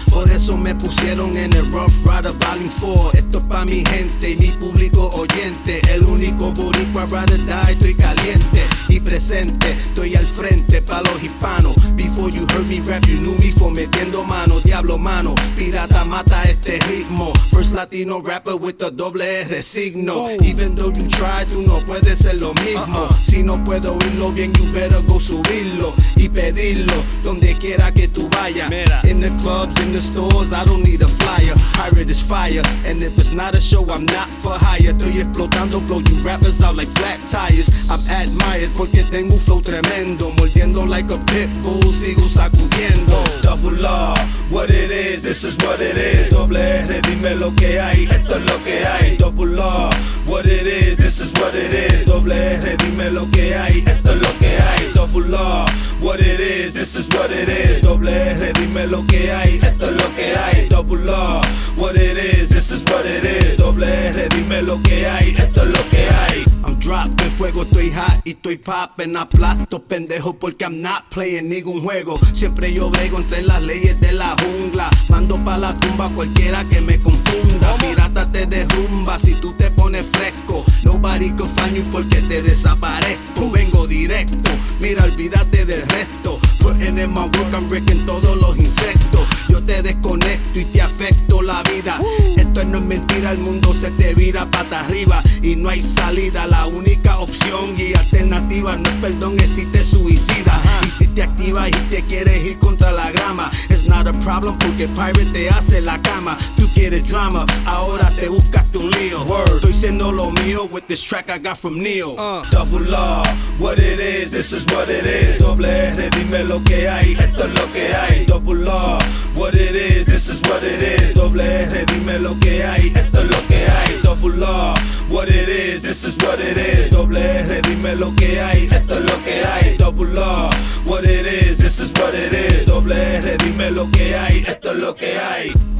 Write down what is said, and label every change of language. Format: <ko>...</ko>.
<es>Por eso me pusieron en el Rough Rider Volume 4. Esto es pa' mi gente y mi público oyente. El único boricua,</es> <en>rather die.</en> <es>Estoy caliente y presente. Estoy al frente pa' los hispanos.</es> <en>Before you heard me rap, you knew me for</en> <es>metiendo mano. Diablo mano, pirata mata este ritmo.</es> <en>First Latino rapper with a</en> <es>doble R signo.</es> <en>Even though you try,</en> <es>tú no puedes ser lo mismo. Si no puedo oírlo bien,</es> <en>you better go</en> <es>subirlo y pedirlo donde quiera que tú vayas.</es> <en>In the clubs, in the stores, I don't need a flyer. Pirate is fire, and if it's not a show, I'm not for hire.</en> <es>Estoy explotando,</es> <en>blow you rappers out like flat tires. I'm admired</en> <es>porque tengo un flow tremendo. Mordiendo</es> <en>like a pitbull,</en> <es>sigo sacudiendo.</es> <en>Double R, what it is, this is what it is.</en> <es>Doble R, dime lo que hay, esto es lo que hay.</es> <en>Double R, what it is, this is what it is.</en> <es>Doble R, dime lo que hay, esto es lo que hay.</es> <en>Double R, what it is, this is what it is.</en> <es>Doble R, dime lo que hay, esto es lo que hay.</es> <en>Double R, what it is, this is what it is.</en> <es>Doble R, dime lo que hay, esto es lo que hay.</es> <en>I'm dropping</en> <es>fuego, estoy</es> <en>hot</en> <es>y estoy</es> <en>popping.</en> <es>Aplasto pendejo porque</es> <en>I'm not playing</en> <es>ningún juego. Siempre yo brego entre las leyes de la jungla. Mando pa' la tumba cualquiera que me confunda. Pirata te derrumba si tú te pones fresco.</es> <en>Nobody can find you</en> <es>porque te desaparezco. Vengo directo, mira, olvídate del resto.</es> <en>Putting in my work, I'm breaking</en> <es>todos los insectos. Yo te desconecto y te afecto la vida. Esto no es mentira, el mundo se te vira pata arriba. Y no hay salida, la única opción y alternativa. No es perdón, es si te suicida. Y si te activas y te quieres ir contra la grama,</es> <en>it's not a problem</en> <es>porque Pirate te hace la cama. Tú quieres drama, ahora te buscas tu lío.</es> <en>Word.</en> <es>Estoy siendo lo mío</es> <en>with this track I got from Neo. Double R, what it is, this is what it is.</en> <es>Doble R, dime lo que hay, esto es lo que hay.</es> <en>Double R, what it is, this is what it is.</en> <es>Doble R, dime lo que hay, esto es lo que hay.</es> <en>Double R, what it is, this is what it is.</en> <es>Doble R, dime lo que hay, esto es lo que hay.</es> <en>Double R, what it is, this is what it is.</en> <es>Doble R, dime lo que hay, esto es lo que hay.</es>